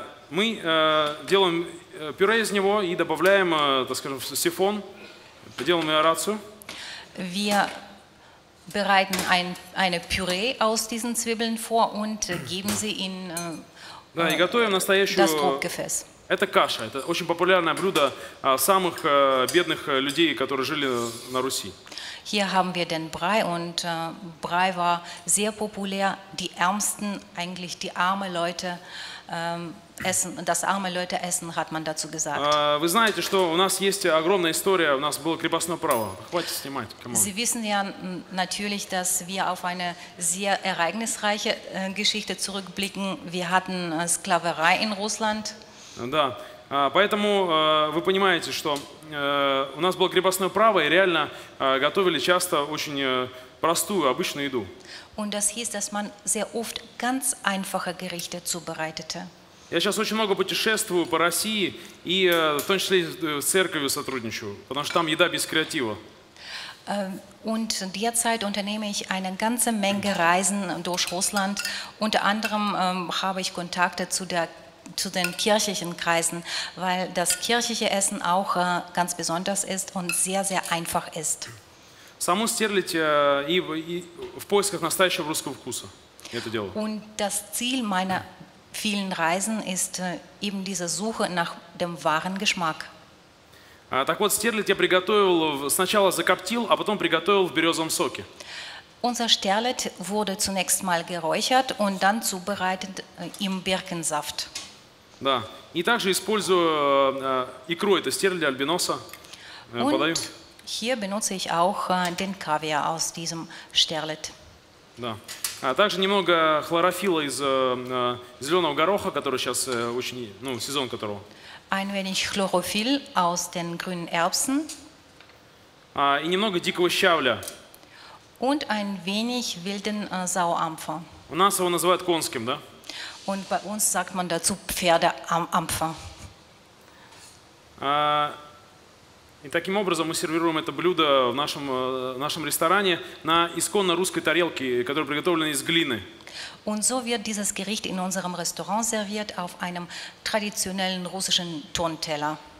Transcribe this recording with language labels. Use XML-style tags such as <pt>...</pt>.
<ru>Мы делаем пюре из него и добавляем, так скажем, сифон, делаем аэрацию.</ru> <de>Wir bereiten eine Püree aus diesen Zwiebeln vor und geben sie in</de> <ru>и готовим настоящую,</ru> <de>das Druckgefäß.</de> <ru>Это каша, это очень популярное блюдо самых бедных людей, которые жили на Руси.</ru> <de>Hier haben wir den Brei und Brei war sehr populär. Die Ärmsten, eigentlich die armen Leute, essen, das arme Leute essen, hat man dazu gesagt.</de> <ru>Вы знаете, что у нас есть огромная история, у нас было крепостное право. Хватит снимать,</ru> <en>come on.</en> <de>Sie wissen ja natürlich, dass wir auf eine sehr ereignisreiche Geschichte zurückblicken. Wir hatten Sklaverei in Russland.</de> <ru>Да, поэтому вы понимаете, что у нас было крепостное право и реально готовили часто очень простую, обычную еду.</ru> <de>Und das hieß, dass man sehr oft ganz einfache Gerichte zubereitete.</de> <ru>Я сейчас очень много путешествую по России и в том числе с церковью сотрудничаю, потому что там еда без креатива.</ru> <de>Und derzeit unternehme ich eine ganze Menge Reisen durch Russland. Unter anderem habe ich Kontakte zu den kirchlichen Kreisen, weil das kirchliche Essen auch ganz besonders ist und sehr, sehr einfach ist.</de> <ru>Саму Стерлить и в поисках настоящего русского вкуса. Это дело.</ru> <de>Und das Ziel meiner vielen Reisen ist eben diese Suche nach dem wahren Geschmack.</de> <ru>Так вот, Стерлить я приготовил, сначала закоптил, а потом приготовил в березовом соке.</ru> <de>Unser Sterlet wurde zunächst mal geräuchert und dann zubereitet im Birkensaft.</de> <ru>Да. И также использую икру, это стерлядь альбиноса. Подаю.</ru> <de>Hier benutze ich auch den Kaviar aus diesem Sterlet.</de> <ru>Да. Также немного хлорофилла из зеленого гороха, который сейчас очень, ну, сезон которого.</ru> <de>Ein wenig Chlorophyll aus den grünen Erbsen.</de> <ru>И немного дикого щавля.</ru> <de>Und ein wenig wilden Sauampfer.</de> <ru>У нас его называют конским, да?</ru> <de>Und bei uns sagt man dazu Pferdeampfer.</de> <ru>И таким образом мы сервируем это блюдо в нашем ресторане на исконно русской тарелке, которая приготовлена из глины.</ru> <de>Und so wird dieses Gericht in unserem Restaurant serviert auf einem traditionellen russischen Tonteller.</de>